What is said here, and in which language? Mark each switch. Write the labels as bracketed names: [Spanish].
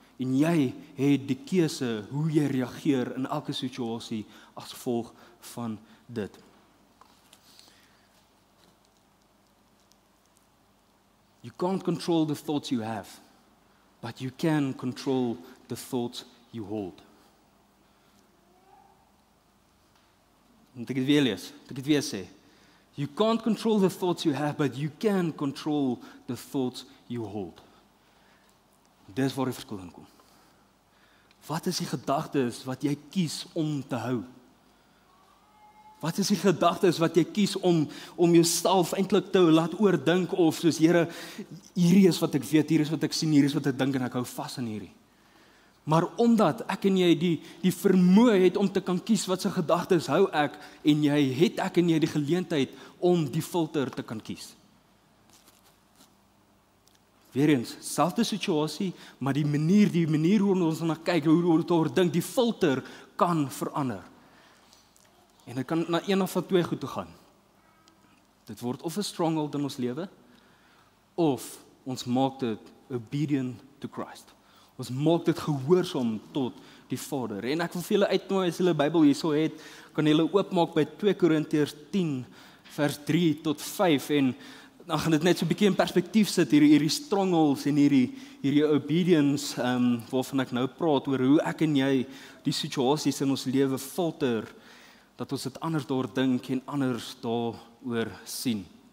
[Afrikaans] En jy het die keuse hoe jy reageer in elke situasie as gevolg van dit. [English] You can't control the thoughts you have, but you can control the thoughts you hold. [Afrikaans] Moet ek dit weer lees? Moet ek dit weer sê? [English] You can't control the thoughts you have, but you can control the thoughts you hold. [Afrikaans] Dis waar die verskil in kom. wat is die gedagtes wat jy kies om te hou? Wat is die gedagtes wat jy kies om jouself eintlik te laat oordink of soos Here, hierdie is wat ek weet, hierdie is wat ek sien, hierdie is wat ek dink en ek hou vas aan hierdie. Maar omdat ek en jy die vermoë het om te kan kies wat se gedagtes hou ek en jy het ek en jy die geleentheid om die filter te kan kies. Weer eens, selfde situasie, maar die manier hoe ons na kyk, hoe ons oor dink, die filter kan verander. En dit kan na een of twee goed toe gaan. Dit word of 'n stronghold in ons lewe of ons maak dit [English] obedient to Christ. [Afrikaans] Ons maak dit gehoorsaam tot die Vader. En ek wil vir julle uitnooi as julle Bybel hierso het, kan julle oopmaak by 2 Korintiërs 10 vers 3 tot 5 en dan gaan dit net so 'n bietjie in perspektief sit hierdie strongholds en hierdie obedience waarvan ek nou praat oor hoe ek en jy die situasies in ons lewe filter dat ons dit anders daar dink en anders daaroor sien.